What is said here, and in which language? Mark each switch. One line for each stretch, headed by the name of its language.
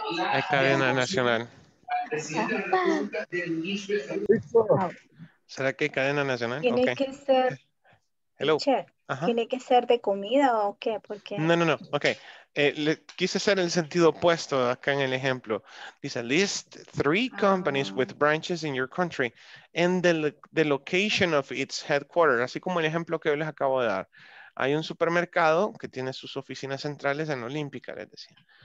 Spanish: Hay cadena nacional. ¿Será que cadena nacional? Tiene
English: okay.
Spanish: que ser.
English: Hello.
Spanish: ¿Tiene que ser de comida o qué? Porque... No. Ok. Le quise hacer el sentido opuesto acá en el ejemplo. Dice,
English: list three companies with branches in your country and the location of its headquarters.
Spanish: Así como el ejemplo que yo les acabo de dar. Hay un supermercado que tiene sus oficinas centrales en Olímpica, les decía.